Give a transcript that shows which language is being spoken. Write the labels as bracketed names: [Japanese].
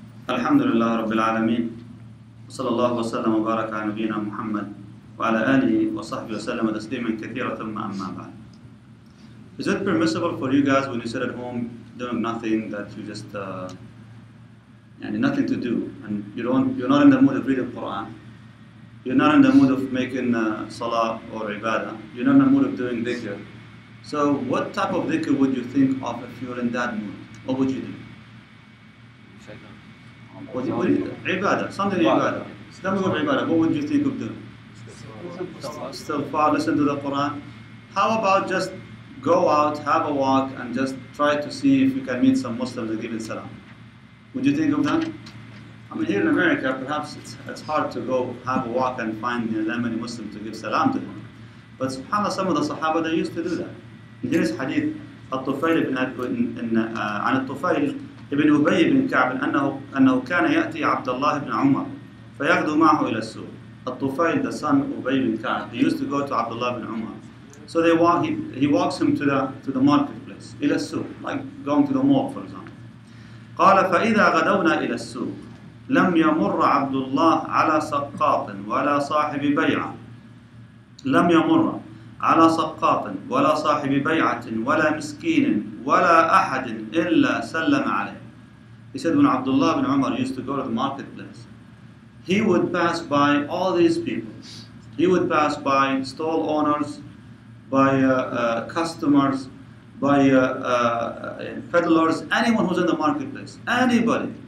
[Arabic] الحمد لله رب العالمين، وصلى الله وسلم وبارك على نبينا محمد وعلى آله وصحبه وسلم تسليما كثيرا. ثم أما بعد، [English] is it permissible for you guys when you sit at home doing nothing that you just يعني nothing to do and you're not in the mood of reading Quran, you're not in the mood of making salah or ibadah, you're not in the mood of doing dhikr. So what type of dhikr would you think of if you're in that mood? What would you do? Ibadah, something ibadah. Tell me what ibadah, what would you think of doing? Still far, listen to the Quran. How about just go out, have a walk, and just try to see if you can meet some Muslims and give in salam? Would you think of that? I mean, here in America, perhaps it's hard to go have a walk and find that many Muslims to give salam to them. But subhanAllah, some of the Sahaba, they used to do that. And here is hadith, [Arabic] al-Tufayl ibn al-Tufayl ibn Ubayy ibn Ka'b, أنه كان يأتي عبد الله بن عمر فيغدو معه إلى السوق. [English] Al-Tufayl, the son of Ubayy ibn Ka'b, he used to go to Abdullah ibn Umar. So they walk, he walks him to the marketplace, [Arabic] إلى السوق, [English] like going to the mall, for example. [Arabic] قال فإذا غدونا إلى السوق لم يمر عبد الله على سقاط ولا صاحب بيعة لم يمر على سقاط ولا صاحب بيعة ولا مسكين ولا أحد إلا سلم عليه. [English] He said when Abdullah ibn Umar used to go to the marketplace, he would pass by all these people. He would pass by stall owners, by customers, by peddlers, anyone who's in the marketplace, anybody.